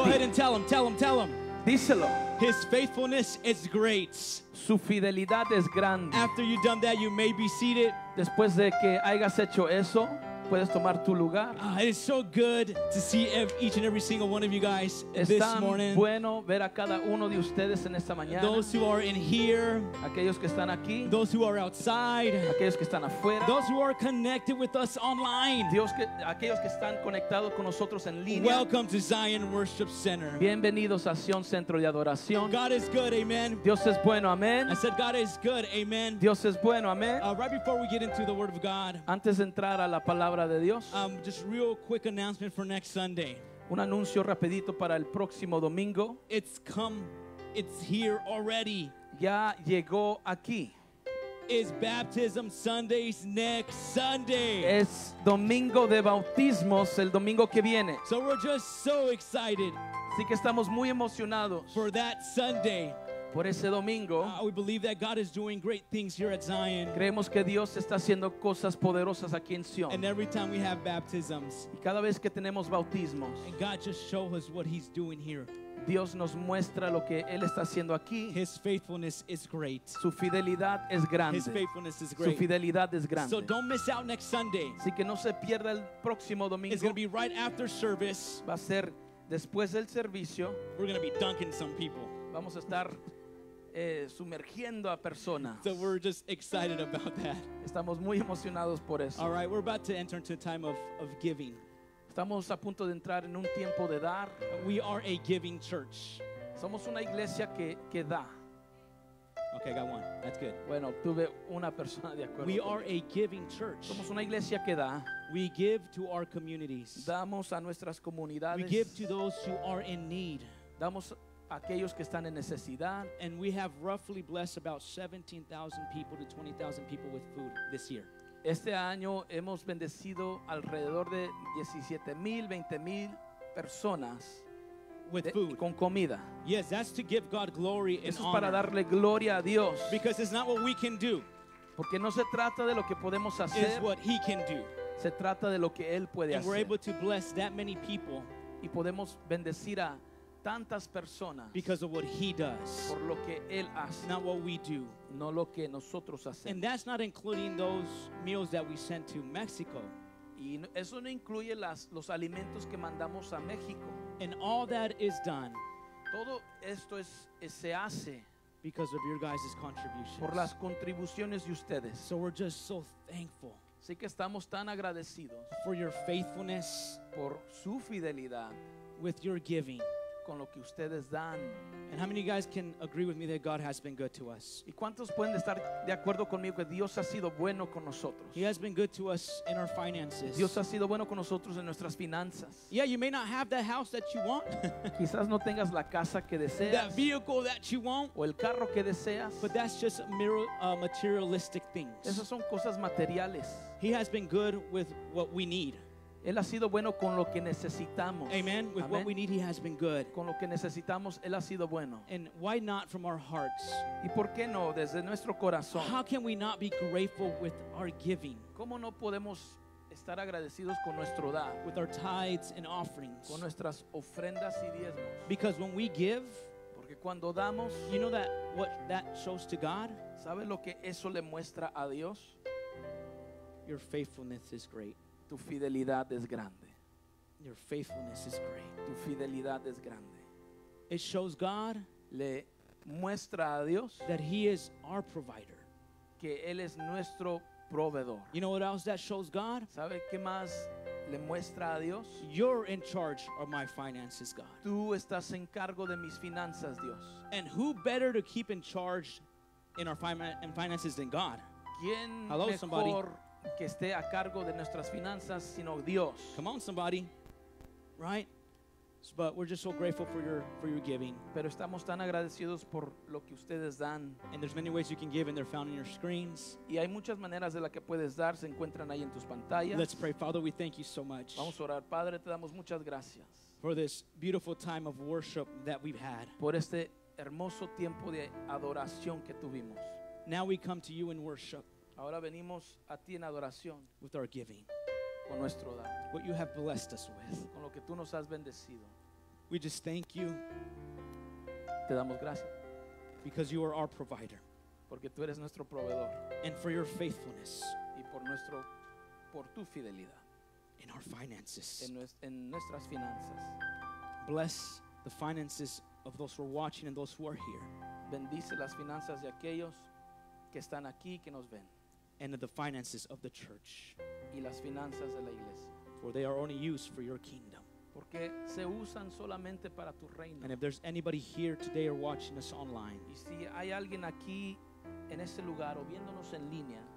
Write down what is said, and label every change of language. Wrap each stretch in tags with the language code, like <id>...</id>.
<en>Go ahead and tell him. Tell him. Tell him.</en> <es>Díselo.</es> <en>His faithfulness is great.</en> <es>Su fidelidad es grande.</es> <en>After you've done that, you may be seated.</en> <es>Después de que hayas hecho eso. Puedes tomar tu lugar.</es> <en>It is so good to see each and every single one of you guys this morning.</en> <es>Bueno ver a cada uno de ustedes en esta mañana.</es> <en>Those who are in here,</en> <es>aquellos que están aquí.</es> <en>Those who are outside,</en> <es>aquellos que están afuera.</es> <en>Those who are connected with us online,</en> <es>aquellos que están conectados con nosotros en línea.</es> <en>Welcome to Zion Worship Center.</en> <es>Bienvenidos a Sion Centro de Adoración.</es> <en>God is good, amen.</en> <es>Dios es bueno, amen.</es> <en>I said God is good, amen.</en> <es>Dios es bueno, amen.</es> <en>Right before we get into the Word of God,</en> <es>antes de entrar a la palabra.</es> <en>Just real quick announcement for next Sunday.</en> <es>Un anuncio rapidito para el próximo domingo.</es> <en>It's come, it's here already.</en> <es>Ya llegó aquí.</es> <en>Is baptism Sundays next Sunday?</en> <es>Es domingo de bautismos el domingo que viene.</es> <en>So we're just so excited.</en> <es>Así que estamos muy emocionados.</es> <en>For that Sunday.</en> <es>Por ese domingo,</es> <en>we believe that God is doing great things here at Zion.</en> <es>Creemos que Dios está haciendo cosas poderosas aquí en Sion.</es> <en>And every time we have baptisms,</en> <es>y cada vez que tenemos bautismos,</es> <en>and God just shows us what He's doing here.</en> <es>Dios nos muestra lo que Él está haciendo aquí.</es> <en>His faithfulness is great.</en> <es>Su fidelidad es grande.</es> <en>His faithfulness is great.</en> <es>Su fidelidad es grande.</es> <en>So don't miss out next Sunday.</en> <es>Así que no se pierda el próximo domingo.</es> <en>It's going to be right after service.</en> <es>Va a ser después del servicio.</es> <en>We're going to be dunking some people.</en> <es>Vamos a estar sumergiendo a personas.</es> <en>So we're just excited about that.</en> <es>Estamos muy emocionados por eso.</es> <en>All right, we're about to enter into a time of giving.</en> <es>Estamos a punto de entrar en un tiempo de dar.</es> <en>We are a giving church.</en> <es>Somos una iglesia que da.</es> <en>Okay, got one. That's good.</en> <es>Bueno, tuve una persona de acuerdo.</es> <en>We are a giving church.</en> <es>Somos una iglesia que da.</es> <en>We give to our communities.</en> <es>Damos a nuestras comunidades.</es> <en>We give to those who are in need.</en> <es>Damos aquellos que están en necesidad.</es> <en>And we have roughly blessed about 17,000 people to 20,000 people with food this year.</en> <es>Este año hemos bendecido alrededor de 17,000, 20,000 personas</es> <en>with food.</en> <es>Con comida.</es> <en>Yes, that's to give God glory and</en> <es>Eso es para darle gloria a Dios.</es> <en>Because it's not what we can do.</en> <es>Porque no se trata de lo que podemos hacer.</es> <en>It's what He can do.</en> <es>Se trata de lo que Él puede</es> <en>and</en> <es>hacer.</es> <en>We're able to bless that many people.</en> <es>Y podemos bendecir a tantas personas</es> <en>because of what He does,</en> <es>por lo que Él hace,</es> <en>not what we do,</en> <es>no lo que nosotros hacemos.</es> <en>And that's not including those meals that we sent to Mexico.</en> <es>Y eso no incluye los alimentos que mandamos a México.</es> <en>And all that is done,</en> <es>todo esto se hace,</es> <en>because of your guys' contributions,</en> <es>por las contribuciones de ustedes.</es> <en>So we're just so thankful.</en> <es>Así que estamos tan agradecidos</es> <en>for your faithfulness,</en> <es>por su fidelidad,</es> <en>with your giving.</en> <es>con lo que ustedes dan.</es> <en>And how many of you guys can agree with me that God has been good to us?</en> <es>¿Y cuántos pueden estar de acuerdo conmigo que Dios ha sido bueno con nosotros?</es> <en>He has been good to us in our finances.</en> <es>Dios ha sido bueno con nosotros en nuestras finanzas.</es> <en>Yeah, you may not have the house that you want.</en> <es>Quizás no tengas la casa que deseas.</es> <en>That vehicle that you want.</en> <es>O el carro que deseas.</es> <en>But that's just materialistic things.</en> <es>Esas son cosas materiales.</es> <en>He has been good with what we need.</en> <es>Él ha sido bueno con lo que necesitamos.</es> <en>Amen. With</en> <es>Amen.</es> <en>What we need, he has been good.</en> <es>Con lo que necesitamos, él ha sido bueno.</es> <en>And why not from our hearts?</en> <es>¿Y por qué no desde nuestro corazón?</es> <en>How can we not be grateful with our giving?</en> <es>¿Cómo no podemos estar agradecidos con nuestro dar?</es> <en>With our tithes and offerings.</en> <es>Con nuestras ofrendas y diezmos.</es> <en>Because when we give,</en> <es>porque cuando damos,</es> <en>you know that what that shows to God?</en> <es>¿Sabe lo que eso le muestra a Dios?</es> <en>Your faithfulness is great.</en> <es>Tu fidelidad es grande.</es> <en>Your faithfulness is great.</en> <es>Tu fidelidad es grande.</es> <en>It shows God.</en> <es>Le muestra a Dios.</es> <en>That he is our provider.</en> <es>Que él es nuestro proveedor.</es> <en>You know what else that shows God?</en> <es>¿Sabe qué más le muestra a Dios?</es> <en>You're in charge of my finances, God.</en> <es>Tú estás en cargo de mis finanzas, Dios.</es> <en>And who better to keep in charge in our finances than God?</en> <es>¿Quién</es> <en>Hello,</en> <es>mejor</es> <en>somebody.</en> <es>Que esté a cargo de nuestras finanzas sino Dios.</es> <en>Come on somebody. Right? But we're just so grateful for your giving.</en> <es>Pero estamos tan agradecidos por lo que ustedes dan.</es> <en>And there's many ways you can give and they're found in your screens.</en> <es>Y hay muchas maneras de la que puedes dar, se encuentran ahí en tus pantallas.</es> <en>Let's pray. Father, we thank you so much.</en> <es>Vamos a orar. Padre, te damos muchas gracias.</es> <en>For this beautiful time of worship that we've had.</en> <es>Por este hermoso tiempo de adoración que tuvimos.</es> <en>Now we come to you in worship.</en> <es>Ahora venimos a ti en adoración.</es> <en>With our giving.</en> <es>Con nuestro dar.</es> <en>What you have blessed us with.</en> <es>Con lo que tú nos has bendecido.</es> <en>We just thank you.</en> <es>Te damos gracias.</es> <en>Because you are our provider.</en> <es>Porque tú eres nuestro proveedor.</es> <en>And for your faithfulness.</en> <es>Y por tu fidelidad.</es> <en>In our finances.</en> <es>En nuestras finanzas.</es> <en>Bless the finances of those who are watching and those who are here.</en> <es>Bendice las finanzas de aquellos que están aquí, que nos ven.</es> <en>And of the finances of the church.</en> <es>Y las finanzas de la iglesia.</es> <en>For they are only used for your kingdom.</en> <es>Porque se usan solamente para tu reino.</es> <en>And if there's anybody here today or watching us online.</en> <es>Y si hay alguien aquí en ese lugar o viéndonos en línea.</es>